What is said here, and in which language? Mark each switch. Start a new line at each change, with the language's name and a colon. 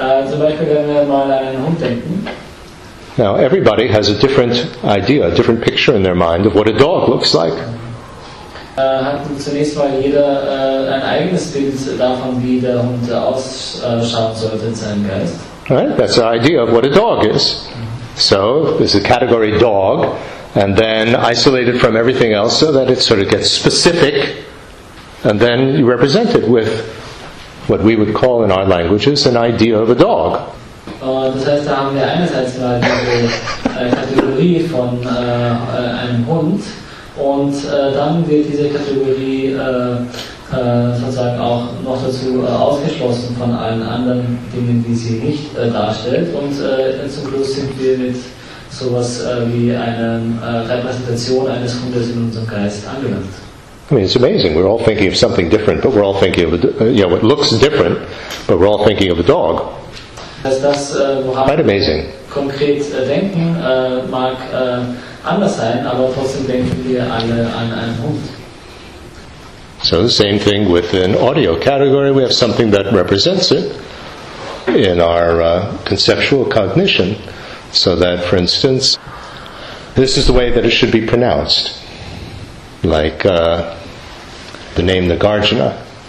German: Zum Beispiel, wenn wir mal an einen Hund denken.
English: Now, everybody has a different idea, a different picture in their mind of what a dog looks like.
German: Hat zunächst mal jeder ein eigenes Bild davon, wie der Hund ausschauen sollte in seinem Geist.
English: Right, that's the idea of what a dog is. So, there's a category dog, and then isolated from everything else so that it sort of gets specific, and then you represent it with what we would call in our languages an idea of a dog.
German: Das heißt, da haben wir einerseits mal diese Kategorie von einem Hund, und dann wird diese Kategorie sozusagen auch noch dazu ausgeschlossen von allen anderen Dingen, die sie nicht darstellt, und zum Schluss sind wir mit sowas wie einer Repräsentation eines Hundes in unserem Geist angelangt.
English: I mean, it's amazing. We're all thinking of something different, but we're all thinking of what looks different, but we're all thinking of a dog.
German: Das, woran
English: quite amazing.
German: Konkret denken mag anders sein, aber trotzdem denken wir alle an einen Hund.
English: So the same thing with an audio category. We have something that represents it in our conceptual cognition. So that, for instance, this is the way that it should be pronounced. Like the name Nagarjuna.